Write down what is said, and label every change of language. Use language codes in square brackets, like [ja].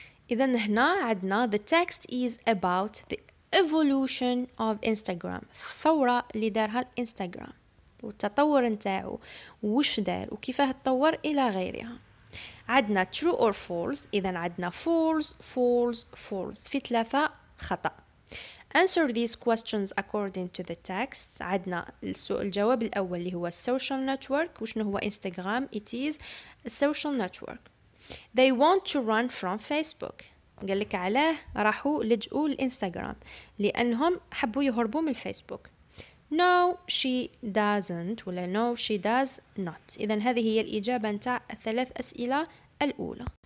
[ar] إذن هنا عدنا [en] the text is about the evolution of Instagram، [ar] الثورة اللي دارها الإنستغرام والتطور نتاعو وش دار وكيفاه تطور إلى غيرها. عدنا [en] true or false، [ar] إذن عدنا false في ثلاثة خطأ. [en] Answer these questions according to the text. [ar] عدنا الجواب الأول اللي هو [en] social network، [ar] وشنو هو إنستغرام؟ [en] It is a social network. They want to run from Facebook. [ar] قال لك علاه راحوا لجؤوا الانستغرام، لانهم حبوا يهربوا من الفيسبوك. [en] No she doesn't ولا no she does not. [ar] اذا هذه هي الاجابه نتاع الثلاث اسئله الاولى.